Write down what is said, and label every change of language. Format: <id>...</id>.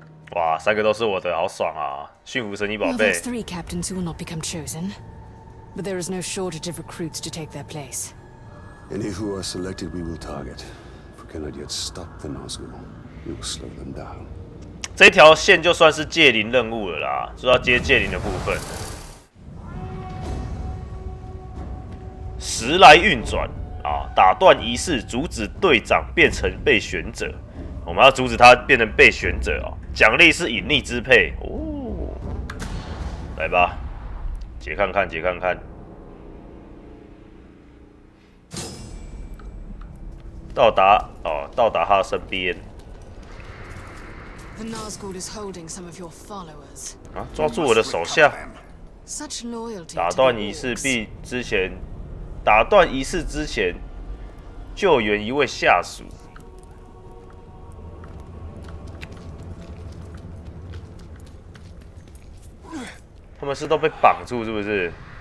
<zh>哇，三个都是我的，好爽啊。驯服神医宝贝。</zh> <en>Well, those three captains who will not become chosen, but there is no shortage of recruits to take their place. Any who are selected, we will target. If we cannot yet stop the Nazgul, we will slow them down.</en> <zh>这条线就算是戒灵任务了啦，就要接戒灵的部分。时来运转啊，打断仪式，阻止队长变成被选者。我们要阻止他变成被选者哦。奖励是引力支配哦。来吧，解看看，解看看。到达哦，到达他身边。</zh> <en>The Nazgul is holding some of your followers.</en> <zh>啊，抓住我的手下。</zh> <en>Such loyalty.</en> <zh>打断仪式必之前，打断仪式之前，救援一位下属。他们是都被绑住，是不是？</zh>